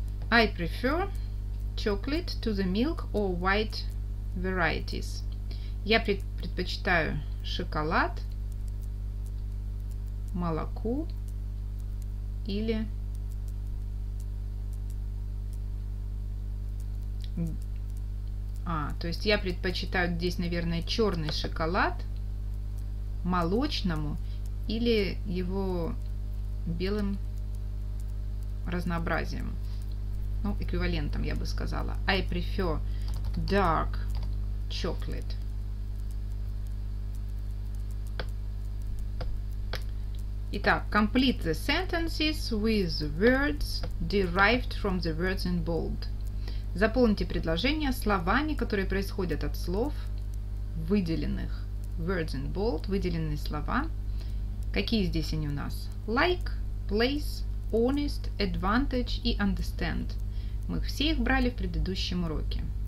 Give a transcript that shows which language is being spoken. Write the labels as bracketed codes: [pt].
[en] I prefer chocolate to the milk or white varieties. [ru] Я предпочитаю шоколад молоку или то есть я предпочитаю здесь, наверное, черный шоколад молочному или его белым разнообразием. Ну, эквивалентом, я бы сказала. [en] I prefer dark chocolate. Итак, complete the sentences with words derived from the words in bold. [ru] Заполните предложения словами, которые происходят от слов, выделенных. [en] Words in bold, [ru] выделенные слова. Какие здесь они у нас? [en] Like, place, honest, advantage и understand. [ru] Мы все их брали в предыдущем уроке.